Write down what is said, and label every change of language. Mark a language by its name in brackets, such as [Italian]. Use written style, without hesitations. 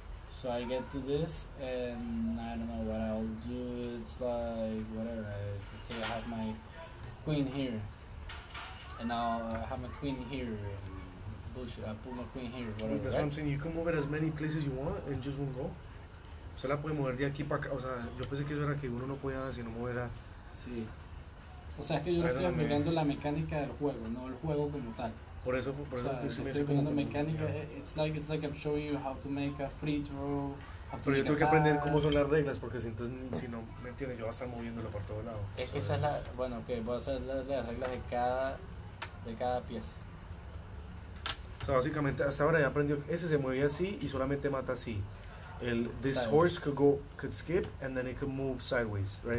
[English] So I get to this, and I don't know what I'll do. It's like whatever. Let's say I have my queen here, and I'll have my queen here. Bullshit, I put my queen here, whatever. That's What I'm saying, you can move it as many places you want and just won't go. [Spanish] Se la puede mover de aquí para acá. O sea, yo pensé que eso era que uno no podía sino mover a. Sí. O sea, es que yo no estoy aplicando la mecánica del juego, no el juego como tal. Por eso, por o eso sea, que se me estoy aplicando mecánica. [English] It's like I'm showing you how to make a free throw. [Spanish] Pero yo tengo que [English] pass. [Spanish] Aprender cómo son las reglas, porque si, entonces, si no me entiendes, yo voy a estar moviéndolo por todos lados. Es que esa es la. Bueno, ok, voy a hacer las reglas de cada pieza. O sea, básicamente hasta ahora ya aprendió que ese se mueve así y solamente mata así. [English] El this sideways. Horse could skip and then it could move sideways, right?